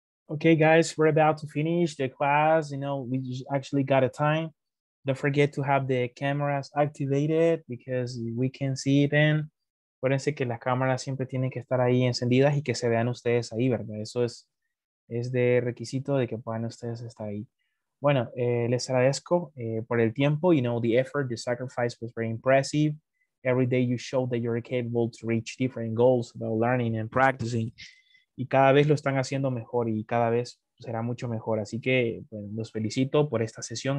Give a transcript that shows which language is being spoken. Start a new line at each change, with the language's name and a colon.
English: Okay, guys, we're about to finish the class. You know, we actually got a time. Don't forget to have the cameras activated because we can see them.
Spanish: Acuérdense que las cámaras siempre tienen que estar ahí encendidas y que se vean ustedes ahí, ¿verdad? Eso es de requisito de que puedan ustedes estar ahí. Bueno, les agradezco por el tiempo.
English: You know, the effort, the sacrifice was very impressive. Every day you show that you're capable to reach different goals about learning and practicing.
Spanish: Y cada vez lo están haciendo mejor y cada vez será mucho mejor. Así que bueno, los felicito por esta sesión.